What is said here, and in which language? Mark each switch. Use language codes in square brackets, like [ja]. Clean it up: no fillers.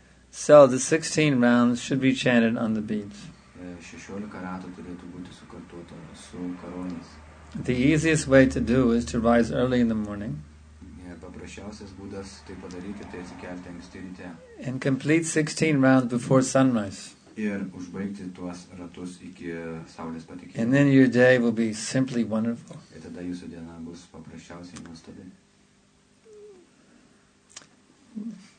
[en] So the 16 rounds should be chanted on the beads. [lt] 16 ratų turėtų būti sukartuota su karoliais. [en] The easiest way to do is to rise early in the morning. [lt] Paprasčiausias būdas tai padaryti, tai atsikelti anksti ryte. [en] And complete 16 rounds before sunrise. [lt] Ir užbaigti tuos ratus iki saulės patekimo. [en] And then your day will be simply wonderful. [lt] Ir tada jūsų diena bus paprasčiausiai nuostabi.